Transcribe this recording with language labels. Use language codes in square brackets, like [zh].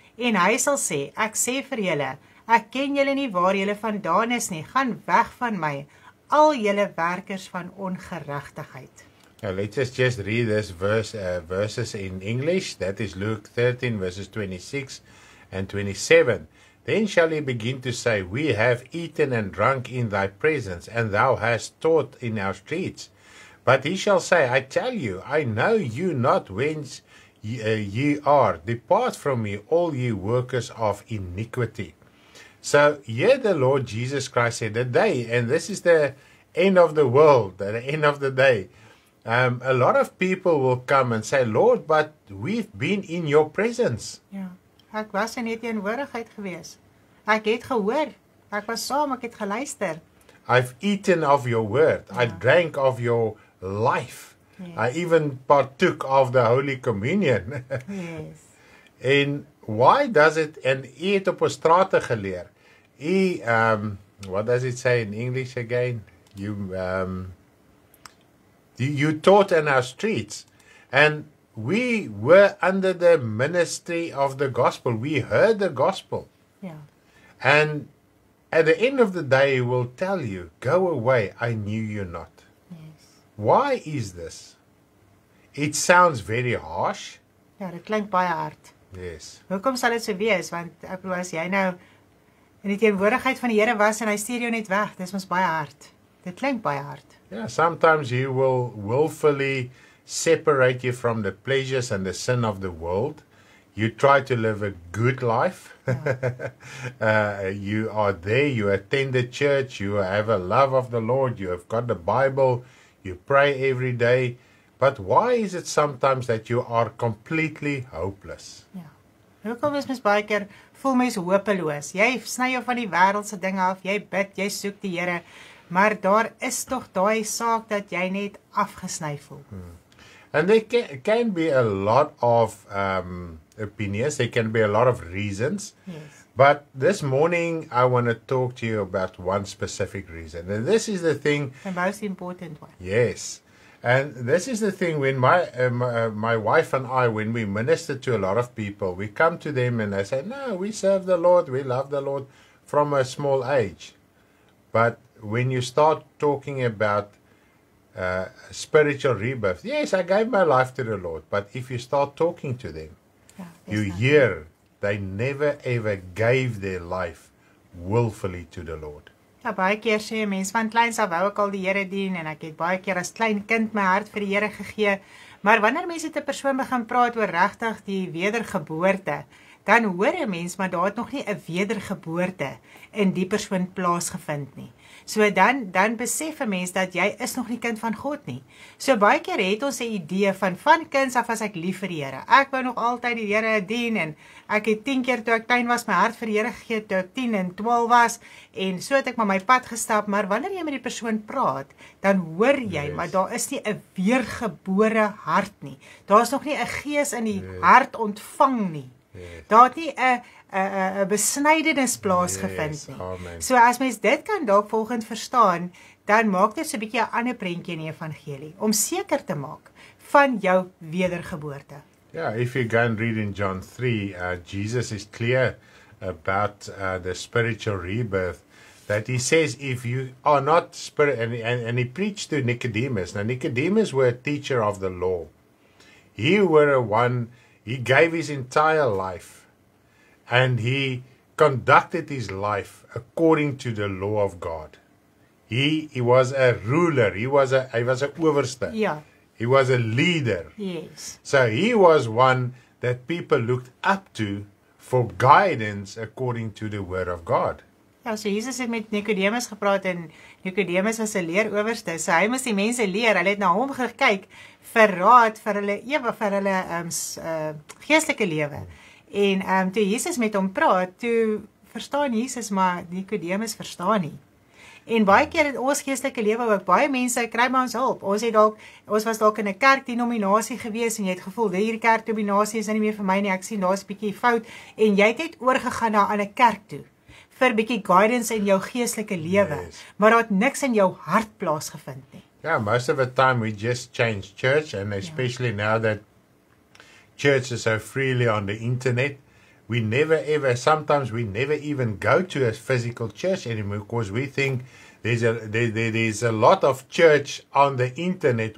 [af] En hy sal sê, ek sê vir julle, ek ken julle nie waar julle vandaan is nie. Gaan weg van my, al julle werkers van ongeregtigheid. [en] Now let us just read this verses in English. That is Luke 13 verses 26 and 27. Then shall he begin to say, we have eaten and drunk in thy presence, and thou hast taught in our streets. But he shall say, I tell you, I know you not whence ye are. Depart from me, all ye workers of iniquity. So, here the Lord Jesus Christ said, the day, and this is the end of the world, the end of the day. A lot of people will come and say, Lord, but we've been in your presence. [af] Yeah, ek was in die teenwoordigheid gewees. Ek het gehoor. Ek was saam, ek het geluister. [en] I've eaten of your word. Yeah. I drank of your life. Yes. I even partook of the Holy Communion. Yes. And why does it, and he [af] het op 'n strate geleer. [en] He, what does it say in English again? You taught in our streets. And we were under the ministry of the gospel. We heard the gospel. Yeah. And at the end of the day, he will tell you, go away, I knew you not. Yes. Why is this? It sounds very harsh. [af] Ja, dit klink baie hard. [en] Yes. [af] Hoekom sal dit so wees? Want ek glo as jy nou in die teenwoordigheid van die Here was en hy stuur jou net weg, dis mos baie hard. Dit klink baie hard. [en] Yeah, sometimes he will willfully separate you from the pleasures and the sin of the world. You try to live a good life. Yeah. You are there, you attend the church, you have a love of the Lord, you have got the Bible, you pray every day. But why is it sometimes that you are completely hopeless? [af] Ja. Hoekom is mens baie keer voel mens hopeloos? Jy sny jou van die wêreldse dinge af, jy bid, jy soek die Here, maar daar is tog daai saak dat jy net afgesny voel. [en] And there can be a lot of opinions, there can be a lot of reasons. Yes. But this morning I want to talk to you about one specific reason. And this is the thing, the most important one. Yes. And this is the thing, when my wife and I, when we minister to a lot of people, we come to them and they say, no, we serve the Lord, we love the Lord from a small age. But when you start talking about spiritual rebirth, yes, I gave my life to the Lord. But if you start talking to them, yeah, you hear they never ever gave their life willfully to the Lord. [af] Ja, baie keer sê jy, mens van kleins af wou ek al die Here dien en ek het baie keer as klein kind my hart vir die Here gegee. Maar wanneer mense te persoon begin praat oor regtig die wedergeboorte, dan hoor 'n mens maar daar het nog nie 'n wedergeboorte in die persoon plaasgevind nie. So dan besef 'n mens dat jy is nog nie kind van God nie. So baie keer het ons 'n idee van kinds af as ek lief vir die Here. Ek wou nog altyd die Here dien en ek het 10 keer toe ek klein was my hart vir die Here gegee toe ek 10 en 12 was en so het ek maar my pad gestap, maar wanneer jy met die persoon praat, dan hoor jy, [en] yes, [af] maar daar is nie 'n weergebore hart nie. Daar is nog nie 'n gees in die, [en] yes, [af] hart ontvang nie. [en] Yes. [af] Daar het nie 'n besnydenis plaasgevind, [en] yes, [af] nie. Amen. So as mens dit kan dalk volgend verstaan, dan maak dit so 'n bietjie 'n ander prentjie in die evangelie om seker te maak van jou wedergeboorte. [en] Yeah, if you go and read in John 3, Jesus is clear about the spiritual rebirth, that he says if you are not spirit, and he preached to Nicodemus. Now Nicodemus were a teacher of the law. He were a one, he gave his entire life and he conducted his life according to the law of God. He was a ruler, he was a overste. Yeah. He was a leader. Yes. So he was one that people looked up to for guidance according to the word of God. [af] Ja, so Jesus het met Nicodemus gepraat en Nicodemus was 'n leeroowerste. So hy moes die mense leer. Hulle het na hom gekyk vir raad vir hulle ewe vir hulle geestelike lewe. En toe Jesus met hom praat, toe verstaan Jesus maar Nicodemus verstaan nie. En baie keer in ons geestelike lewe ook baie mense kry maar ons hulp. Ons was dalk in 'n kerkdenominasie gewees en jy het gevoel dat hierdie kerkdenominasie is nie meer vir my nie. Ek sien daar's 'n bietjie fout en jy het oorgegaan na 'n ander kerk toe vir 'n bietjie guidance in jou geestelike lewe. [en] Yes. [af] Maar daar het niks in jou hart plaasgevind nie. [en] Ja, yeah, most of the time we just change church and especially, yeah, now that churches are freely on the internet. We never ever, sometimes we never even go to a physical church anymore because we think there's a lot of church on the internet.